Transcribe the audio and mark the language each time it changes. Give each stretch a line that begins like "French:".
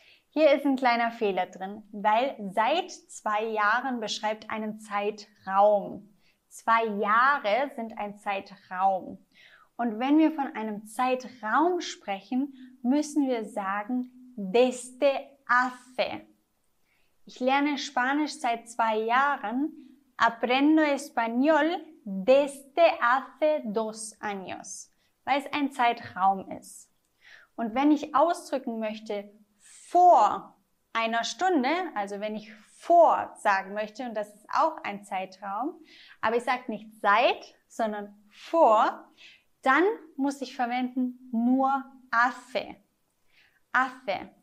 German: Hier ist ein kleiner Fehler drin, weil seit 2 Jahren beschreibt einen Zeitraum. 2 Jahre sind ein Zeitraum. Und wenn wir von einem Zeitraum sprechen, müssen wir sagen
Spanish: desde hace.
German: Ich lerne Spanisch seit 2 Jahren.
Spanish: Aprendo español desde hace 2 años.
German: Weil es ein Zeitraum ist. Und wenn ich ausdrücken möchte vor einer Stunde, also wenn ich vor sagen möchte, und das ist auch ein Zeitraum, aber ich sage nicht seit, sondern vor, dann muss ich verwenden nur
Spanish: hace. Hace.